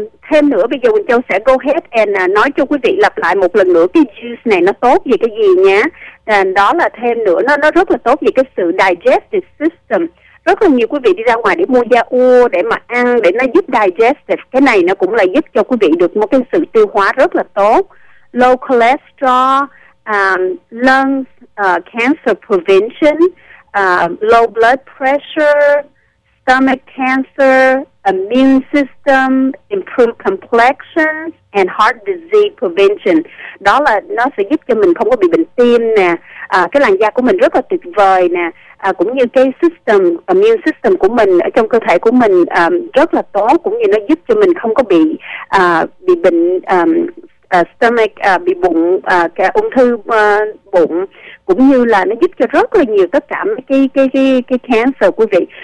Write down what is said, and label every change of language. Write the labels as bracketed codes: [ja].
[vi] Thêm nữa, bây giờ Quỳnh Châu sẽ [en] go ahead [vi] and nói cho quý vị lặp lại một lần nữa cái juice này nó tốt về cái gì nhé. Đó là thêm nữa, nó rất là tốt về cái sự digestive system. Rất là nhiều quý vị đi ra ngoài để mua da ua để mà ăn, để nó giúp digestive. Cái này nó cũng là giúp cho quý vị được một cái sự tiêu hóa rất là tốt. [en] Low cholesterol, lungs, cancer prevention, low blood pressure, stomach cancer, immune system, improved complexion, and heart disease prevention. [vi] Đó là nó sẽ giúp cho mình không có bị bệnh tim nè, cái làn da của mình rất là tuyệt vời nè, cũng như cái system, immune system của mình ở trong cơ thể của mình rất là tốt, cũng như nó giúp cho mình không có bị bệnh stomach, bị bụng, cái ung thư bụng, cũng như là nó giúp cho rất là nhiều tất cả cái cancer quý vị.